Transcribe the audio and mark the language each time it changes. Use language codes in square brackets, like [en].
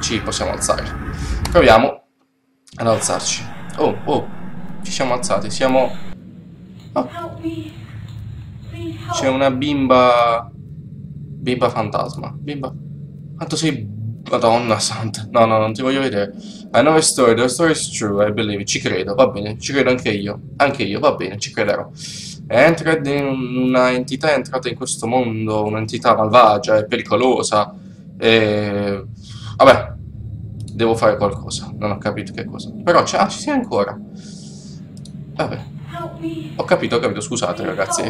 [it] Ci possiamo alzare. Proviamo ad alzarci. Oh, ci siamo alzati. Siamo. C'è una bimba. Bimba fantasma. Bimba. Quanto sei. Madonna santa. No, no, non ti voglio vedere. [en] I know a story, the story is true, I believe. [it] Ci credo, va bene, ci credo anche io. Anche io, va bene, ci crederò. Entrate in una entità è entrata in questo mondo, un'entità malvagia e pericolosa. Vabbè, devo fare qualcosa, non ho capito che cosa. Però ci sei ancora. Vabbè. Ho capito, scusate ragazzi.